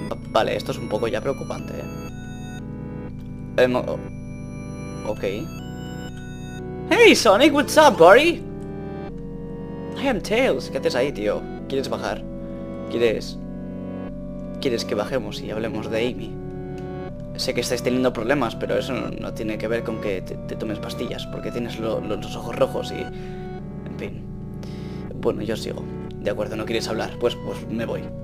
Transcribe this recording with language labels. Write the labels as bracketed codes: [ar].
[es] Vale, esto es un poco ya preocupante. Ok. [en] Hey, Sonic, what's up, buddy? I am Tails. [es] ¿Qué haces ahí, tío? ¿Quieres bajar? ¿Quieres que bajemos y hablemos de Amy? Sé que estáis teniendo problemas, pero eso no tiene que ver con que te tomes pastillas, porque tienes los ojos rojos y. En fin. Bueno, yo sigo. De acuerdo, ¿no quieres hablar? Pues me voy.